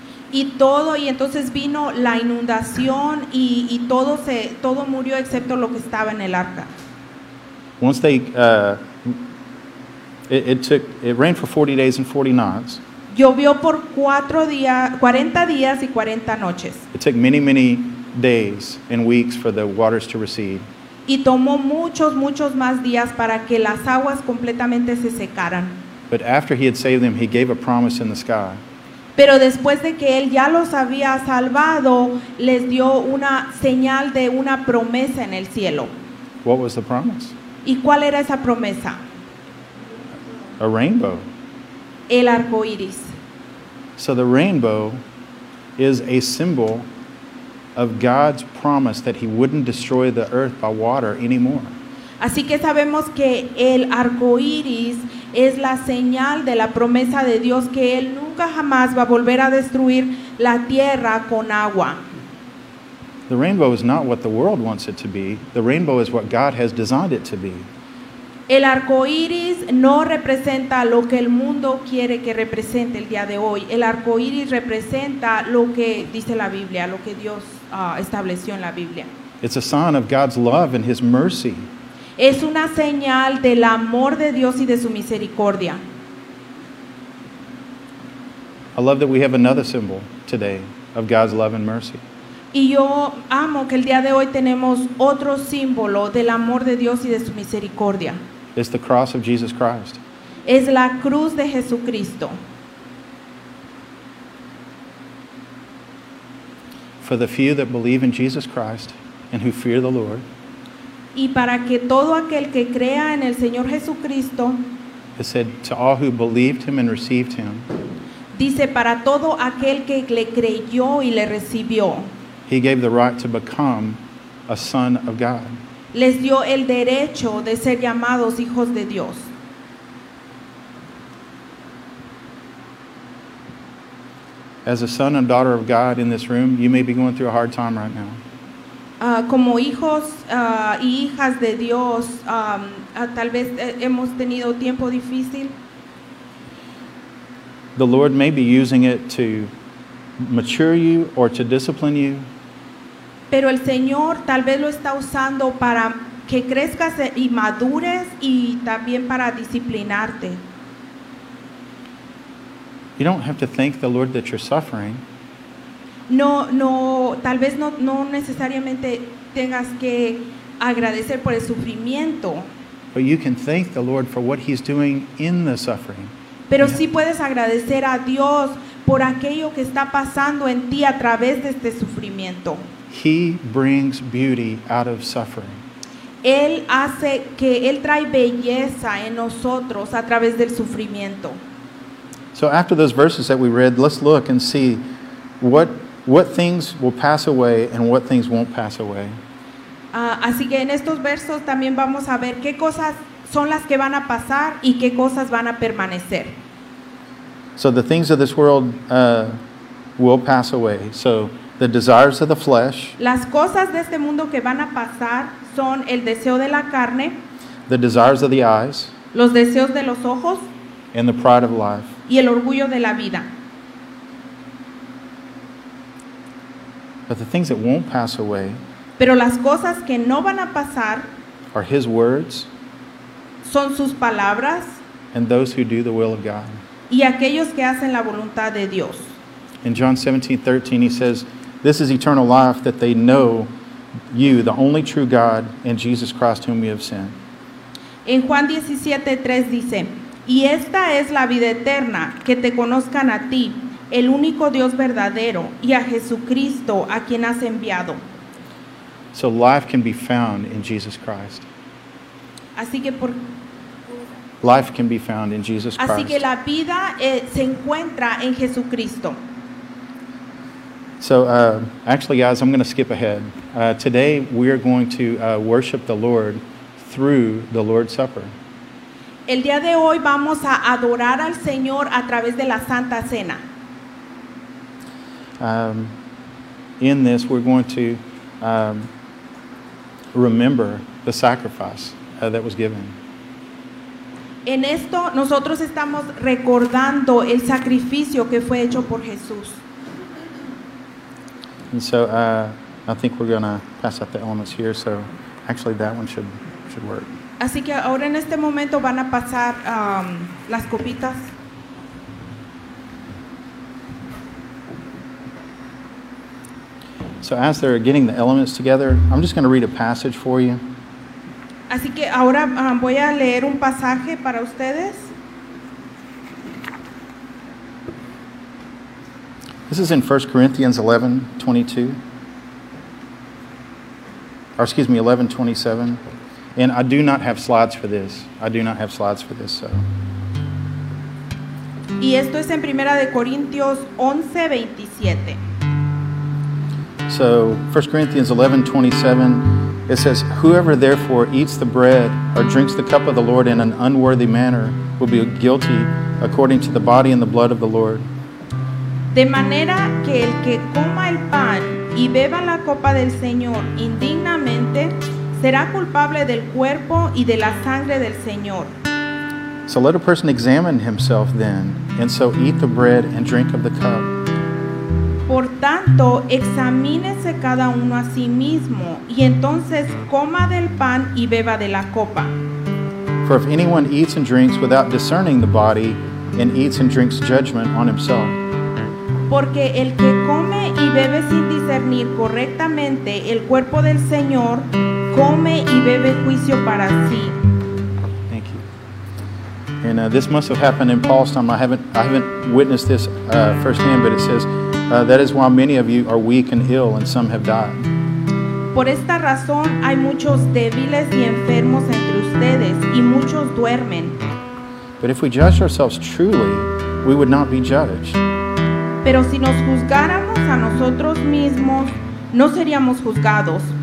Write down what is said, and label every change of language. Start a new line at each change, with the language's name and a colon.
Spanish: Y todo, y entonces vino la inundación y todo murió excepto lo que estaba en el arca.
English: Once they it rained for 40 days and 40 nights.
Spanish: Llovió por 40 días y 40 noches.
English: It took many, many days and weeks for the waters to recede.
Spanish: Y tomó muchos, muchos más días para que las aguas completamente se secaran.
English: But after he had saved them, he gave a promise in the sky.
Spanish: Pero después de que él ya los había salvado, les dio una señal de una promesa en el cielo.
English: What was the promise?
Spanish: ¿Y cuál era esa promesa?
English: A rainbow.
Spanish: El arco iris.
English: So the rainbow is a symbol of God's promise that he wouldn't destroy the earth by water anymore.
Spanish: Así que sabemos que el arco iris es la señal de la promesa de Dios que él nunca jamás va a volver a destruir la tierra con agua.
English: The rainbow is not what the world wants it to be. The rainbow is what God has designed it to be.
Spanish: El arco iris no representa lo que el mundo quiere que represente el día de hoy. El arco iris representa lo que dice la Biblia, lo que Dios estableció en la Biblia.
English: It's a sign of God's love and his mercy.
Spanish: Es una señal del amor de Dios y de su misericordia.
English: I love that we have another symbol today of God's love and mercy.
Spanish: Y yo amo que el día de hoy tenemos otro símbolo del amor de Dios y de su misericordia.
English: It's the cross of Jesus Christ.
Spanish: Es la cruz de Jesucristo.
English: For the few that believe in Jesus Christ and who fear the Lord.
Spanish: y para que todo aquel que crea en el Señor Jesucristo,
English: it said, to all who believed him and received him,
Spanish: dice, para todo aquel que le creyó y le recibió,
English: he gave the right to become a son of God.
Spanish: Les dio el derecho de ser llamados hijos de Dios.
English: As a son and daughter of God in this room, you may be going through a hard time right now.
Spanish: Como hijos y hijas de Dios, tal vez hemos tenido tiempo difícil.
English: The Lord may be using it to mature you or to discipline you.
Spanish: Pero el Señor tal vez lo está usando para que crezcas y madures y también para disciplinarte.
English: You don't have to thank the Lord that you're suffering.
Spanish: No, tal vez no necesariamente tengas que agradecer por el sufrimiento.
English: But you can thank the Lord for what he's doing in the suffering.
Spanish: Pero sí puedes agradecer a Dios por aquello que está pasando en ti a través de este sufrimiento.
English: He brings beauty out of suffering.
Spanish: Él hace que él trae belleza en nosotros a través del sufrimiento.
English: So after those verses that we read, let's look and see what things will pass away and what things won't pass away.
Spanish: Así que en estos versos también vamos a ver qué cosas son las que van a pasar y qué cosas van a permanecer.
English: So the things of this world will pass away. So the desires of the flesh.
Spanish: Las cosas de este mundo que van a pasar son el deseo de la carne.
English: The desires of the eyes.
Spanish: Los deseos de los ojos.
English: And the pride of life.
Spanish: Y el orgullo de la vida.
English: But the things that won't pass away,
Spanish: pero las cosas que no van a pasar,
English: are his words,
Spanish: son sus palabras,
English: and those who do the will of God,
Spanish: y aquellos que hacen la voluntad de Dios.
English: In John 17:13, he says, "This is eternal life, that they know you, the only true God, and Jesus Christ, whom you have sent."
Spanish: En Juan 17:3 dice, "Y esta es la vida eterna, que te conozcan a ti, el único Dios verdadero, y a Jesucristo a quien has enviado."
English: So life can be found in Jesus Christ.
Spanish: Así que por
English: life can be found in Jesus Christ.
Spanish: Así que la vida se encuentra en Jesucristo.
English: So actually, guys, I'm going to skip ahead. Today we are going to worship the Lord through the Lord's Supper.
Spanish: El día de hoy vamos a adorar al Señor a través de la Santa Cena.
English: In this, we're going to remember the sacrifice that was given.
Spanish: En esto, nosotros estamos recordando el sacrificio que fue hecho por Jesús.
English: And so, I think we're going to pass out the elements here. So, actually, that one should work.
Spanish: Así que ahora en este momento van a pasar las copitas.
English: So as they're getting the elements together, I'm just going to read a passage for you.
Spanish: Así que ahora voy a leer un pasaje para ustedes.
English: This is in 11:27. And I do not have slides for this. I do not have slides for this, so.
Spanish: Y esto es en Primera de Corintios 11:27.
English: So, 11:27, it says, "Whoever therefore eats the bread or drinks the cup of the Lord in an unworthy manner will be guilty according to the body and the blood of the Lord."
Spanish: De manera que el que coma el pan y beba la copa del Señor indignamente será culpable del cuerpo y de la sangre del Señor.
English: So let a person examine himself then, and so eat the bread and drink of the cup.
Spanish: Por tanto, examínese cada uno a sí mismo, y entonces coma del pan y beba de la copa.
English: For if anyone eats and drinks without discerning the body, and eats and drinks judgment on himself.
Spanish: Porque el que come y bebe sin discernir correctamente el cuerpo del Señor, come y bebe juicio para sí.
English: Thank you. And this must have happened in Paul's time. I haven't witnessed this firsthand, but it says, "That is why many of you are weak and ill, and some have died."
Spanish: por esta razón hay muchos débiles y enfermos entre ustedes y muchos duermen.
English: But if we judge ourselves truly, we would not be judged.
Spanish: Pero si nos juzgáramos a nosotros mismos, no seríamos juzgados.